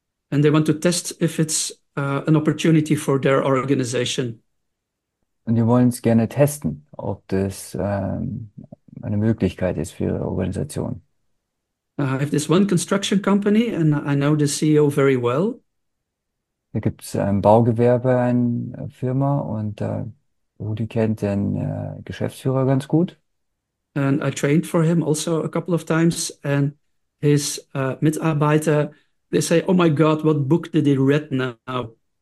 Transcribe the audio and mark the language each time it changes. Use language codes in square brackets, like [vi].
[en] And they want to test if it's an opportunity for their organization. [de] Und die wollen es gerne testen, ob das eine Möglichkeit ist für ihre Organisation. [en] If this one construction company, and I know the CEO very well. [de] Da gibt es ein Baugewerbe, eine Firma, und Rudi kennt den Geschäftsführer ganz gut. [en] And I trained for him also a couple of times, and his Mitarbeiter. They say, "Oh my God, what book did he read now?